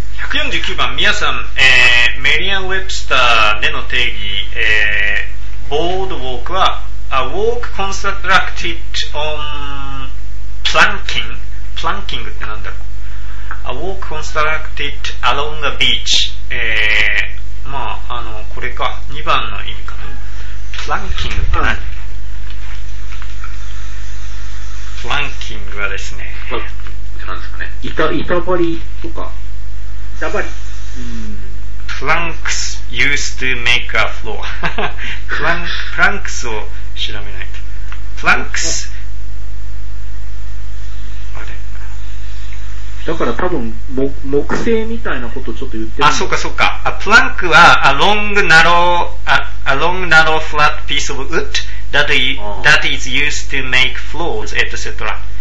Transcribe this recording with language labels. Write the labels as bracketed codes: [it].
[ja] 149番、ミヤさん、メリアン・ウェブスターでの定義、ボードウォークは [en] A walk constructed on planking。 [ja] planking ってなんだろう。 [en] A walk constructed along a beach、 [ja] まあ、これか、2番の意味かな。プランキングって何？プランキングはですね、何ですかね。板張りとか。板張り。 [en] プランクス used to make a floor。 [ja] プランクスを調べないと。プランクス、だから多分 木製みたいなことをちょっと言ってる。あ、そうかそうか。 [en] A plank は a long narrow flat piece of wood that is used to make floors etc.